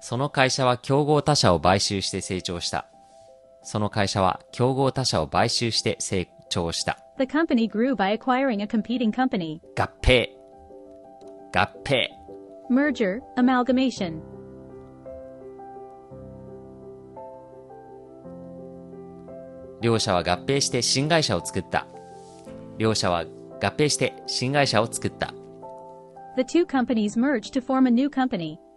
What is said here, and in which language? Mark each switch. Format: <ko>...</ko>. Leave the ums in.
<ja>会社は競合他社を買収して成長した。その会社は競合他社を買収して成長した。</ja> <en>The company grew by acquiring a competing company.</en> <ja>合併合併</ja> <en>Merger, amalgamation.</en> <ja>両者は合併して新会社を作った。両者は合併して新会社を作った。</ja> <en>The two companies merged to form a new company.</en>